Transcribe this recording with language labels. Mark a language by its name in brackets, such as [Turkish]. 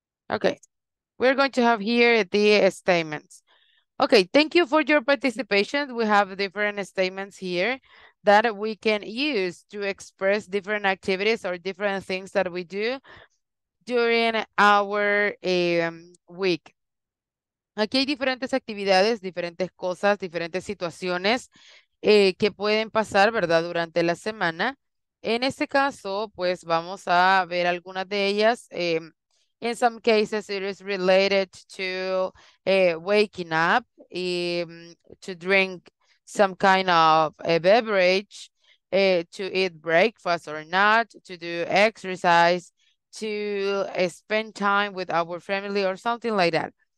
[English] Okay. We're going to have here the statements. Okay, thank you for your participation. We have different statements here that we can use to express different activities or different things that we do during our week. [Spanish] Aquí hay diferentes actividades, diferentes cosas, diferentes situaciones que pueden pasar, ¿verdad? Durante la semana. En este caso, pues vamos a ver algunas de ellas. [English] In some cases, it is related to waking up, to drink some kind of a beverage, to eat breakfast or not, to do exercise, to spend time with our family or something like that.